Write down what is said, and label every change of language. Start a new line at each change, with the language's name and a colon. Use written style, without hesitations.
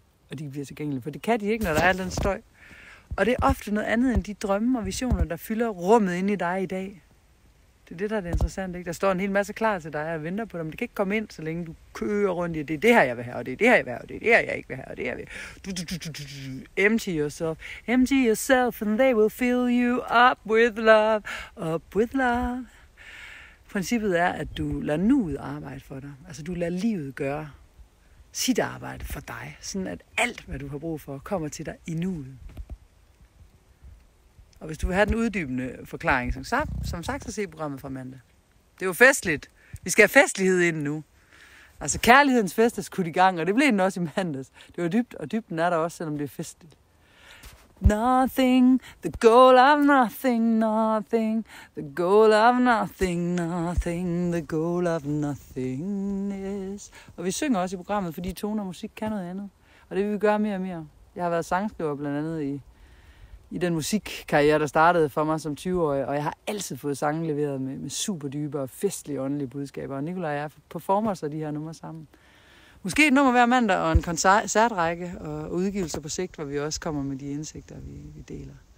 Danish: Og de bliver tilgængelige, for det kan de ikke, når der er alt den støj. Og det er ofte noget andet end de drømme og visioner, der fylder rummet inde i dig i dag. Det er det, der er det interessante, ikke? Der står en hel masse klar til dig og venter på dem. Det kan ikke komme ind, så længe du kører rundt i, det er det her, jeg vil have, og det er det her, jeg vil have, og det er det her, jeg ikke vil have, og det er det her.
English: Empty yourself. Empty yourself, and they will fill you up with love. Up with love.
Danish: Princippet er, at du lader nuet arbejde for dig. Altså, du lader livet gøre sit arbejde for dig. Sådan, at alt, hvad du har brug for, kommer til dig i nuet. Og hvis du vil have den uddybende forklaring, som sagt, så se programmet fra mandag. Det er jo festligt. Vi skal have festlighed ind nu. Altså kærlighedens fest er skudt i gang, og det blev den også i mandags. Det var dybt, og dybden er der også, selvom det er festligt.
English: Nothing, the goal of nothing, nothing, the goal of nothing, nothing, the goal of nothingness.
Danish: Og vi synger også i programmet, fordi toner og musik kan noget andet. Og det vil vi gøre mere og mere. Jeg har været sangskriver blandt andet i den musikkarriere, der startede for mig som 20-årig, og jeg har altid fået sange leveret med super dybe og festlige åndelige budskaber, og Nicolaj og jeg performer så de her numre sammen. Måske et nummer hver mandag, og en koncertrække og udgivelser på sigt, hvor vi også kommer med de indsigter, vi deler.